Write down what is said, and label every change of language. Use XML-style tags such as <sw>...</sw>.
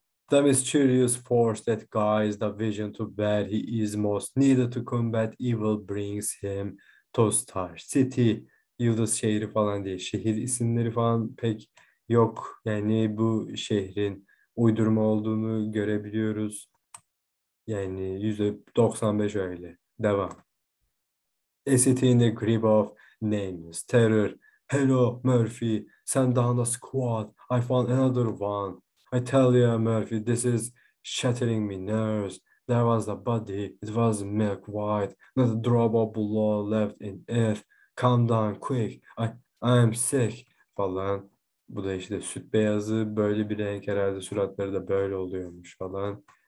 <en>The mysterious force that guides the vision to where he is most needed to combat evil brings him to Star City.</en> <tr>Yıldız şehri falan diye şehir isimleri falan pek yok. Yani bu şehrin uydurma olduğunu görebiliyoruz. Yani %95 öyle. Devam.</tr> <en>A city in the grip of nameless terror. Hello Murphy, send down the squad. I found another one. I tell you Murphy, this is shattering my nerves. There was a body, it was milk white. Not a drop of blood left in it. Calm down quick, I am sick falan.</en> <tr>Bu da işte süt beyazı böyle bir renk herhalde suratları da böyle oluyormuş falan.</tr>